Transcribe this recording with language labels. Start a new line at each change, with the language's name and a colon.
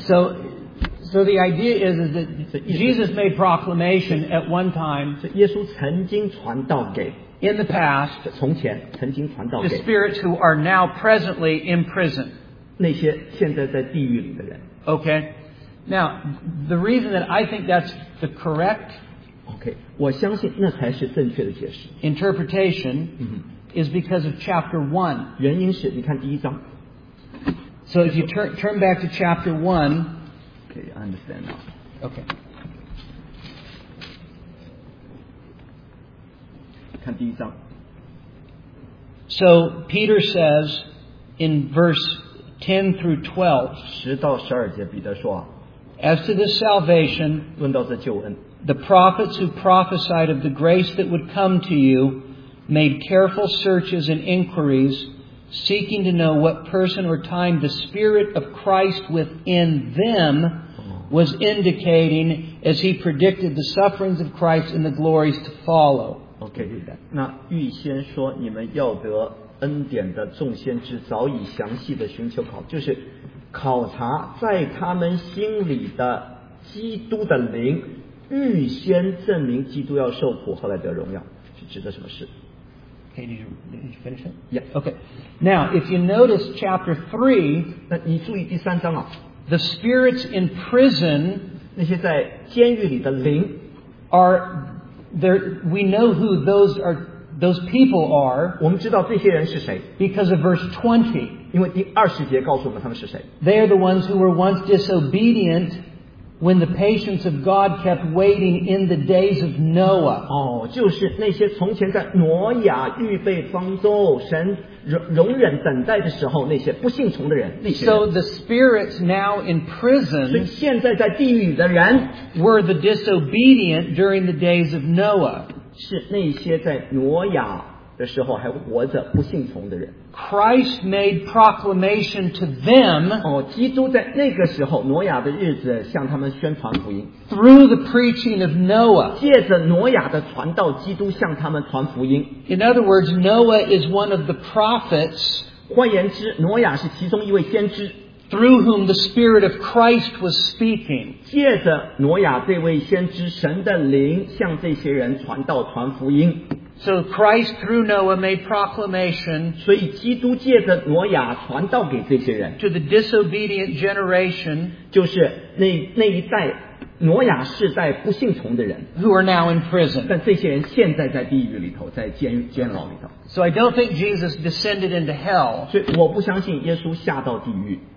English: so the idea is that Jesus made proclamation at one time
Chinese: 耶稣曾经传道给
English: in the past
Chinese: 从前曾经传道给
English: the spirits who are now presently in prison
Chinese: 那些现在在地狱里的人
English: okay Now, the reason that I think that's the correct
Chinese: okay, 我相信那才是正确的解释
English: interpretation is because of chapter 1.
Chinese: 原因是你看第一章。
English: So if you turn back to chapter 1. Okay, I understand now. Okay.
Chinese: 看第一章。
English: So Peter says in verse 10 through 12.
Chinese: 十到十二节彼得说
English: As to this salvation,
Chinese: 论到这救恩,
English: the prophets who prophesied of the grace that would come to you made careful searches and inquiries, seeking to know what person or time the Spirit of Christ within them was indicating as he predicted the sufferings of Christ and the glories to follow.
Chinese: Okay, 那预先说你们要得恩典的众先知早已详细的寻求考，就是考察在他们心里的基督的灵预先证明基督要受苦后来得荣耀是指的什么事
English: okay, did you finish it? Yeah. Okay. Now if you notice chapter 3
Chinese: 那你注意第三章啊
English: The spirits in prison
Chinese: 那些在监狱里的灵
English: are there, we know who those are Those people are, because of verse 20, they are the ones who were once disobedient when the patience of God kept waiting in the days of Noah.
Chinese: 哦，就是那些从前在挪亚预备方舟，神容忍等待的时候，那些不信从的人，那些人。
English: So the spirits now in prison,
Chinese: 所以现在在地狱的人
English: were the disobedient during the days of Noah.
Chinese: 是那些在挪亚的时候还活着不信从的人。
English: Christ made proclamation to them,
Chinese: 哦，基督在那个时候，挪亚的日子向他们宣传福音。
English: Through the preaching of Noah,
Chinese: 借着挪亚的传道，基督向他们传福音。
English: In other words, Noah is one of the prophets,
Chinese: 换言之，挪亚是其中一位先知。
English: Through whom the Spirit of Christ was speaking.
Chinese: 借着挪亚这位先知，神的灵向这些人传道传福音。
English: So Christ through Noah made proclamation.
Chinese: 所以基督借着挪亚传道给这些人。
English: To the disobedient generation.
Chinese: 就是那一代挪亚世代不信从的人。
English: Who are now in prison.
Chinese: 但这些人现在在地狱里头，在监牢里头。
English: So I don't think Jesus descended into hell.
Chinese: 所以我不相信耶稣下到地狱。